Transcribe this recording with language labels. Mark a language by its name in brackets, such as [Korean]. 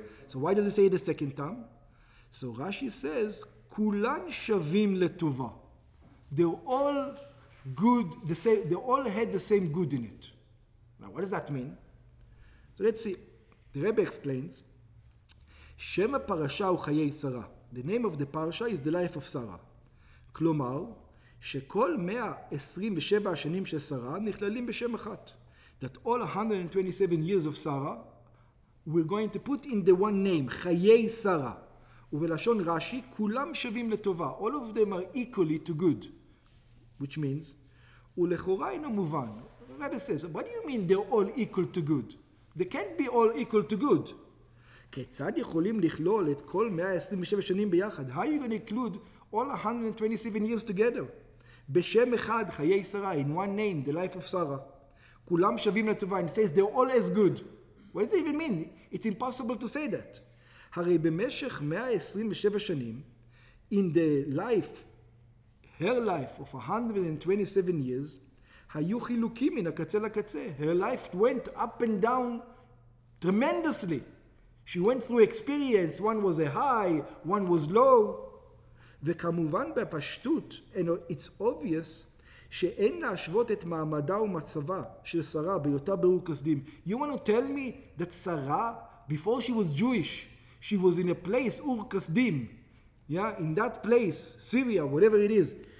[English] So why does he say it the second time? So Rashi says, [Hebrew] כולן שווים לטובה. [English] They're all good, the same, they all had the same good in it. Now, what does that mean? So let's see. The Rebbe explains, [Hebrew] Shem ha-parasha hu chayei Sarah. [English] The name of the parasha is the life of Sarah. [Hebrew] Klomar, shekol 127 השנים של Sarah נכללים בשם אחת. [English] That all 127 years of Sarah, we're going to put in the one name, chayei Sarah. [Hebrew] ובלשון רשי, כולם שווים לטובה. [English] All of them are equally to good. Which means, [Hebrew] ולכאורה אינו מובן. [English] Rebbe says, what do you mean they're all equal to good? They can't be all equal to good. [Hebrew] כיצד יכולים לכלול את כל 127 שנים ביחד? [English] How are you going to include all 127 years together? [Hebrew] בשם אחד, חיי שרה, [English] in one name, the life of Sarah. [Hebrew] כולם שווים לטובה, [English] and says they're all as good. What does it even mean? It's impossible to say that. [Hebrew] הרי במשך 127 שנים, [English] in the life, her life of 127 years, [Hebrew] היו חילוקים מן הקצה לקצה. [English] Her life went up and down tremendously. She went through experience. One was a high, one was low. [Hebrew] וכמובן בפשטות, [English] and it's obvious, [Hebrew] שאין להשוות את מעמדה ומצבה של שרה ביותה ברור כסדים. [English] You want to tell me that Sarah, before she was Jewish, she was in a place, ur kasdim. Yeah, in that place, Syria, whatever it is.